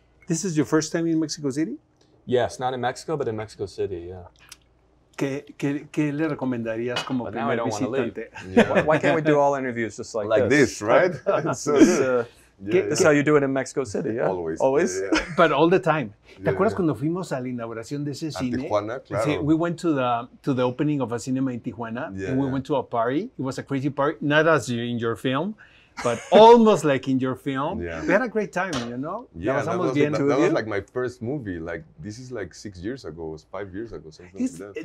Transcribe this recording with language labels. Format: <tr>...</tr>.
<en>This is your first time in Mexico City? Yes, not in Mexico, but in Mexico City, yeah.</en> <es>¿Qué le recomendarías como</es> <en>but</en> <es>primer visitante?</es> <en>Yeah. Why can't we do all interviews just like this? Like this, right? This is how you do it in Mexico City, yeah? Always. Always? But all the time.</en> <es>¿Te acuerdas cuando fuimos a la inauguración de ese cine? A Tijuana, claro. See,</es> <en>we went to the opening of a cinema in Tijuana, and we went to a party. It was a crazy party, not as in your film, but almost like in your film. Yeah. We had a great time, you know? Yeah, that was like my first movie. Like, this is like 6 years ago, it was 5 years ago, something like that.</en>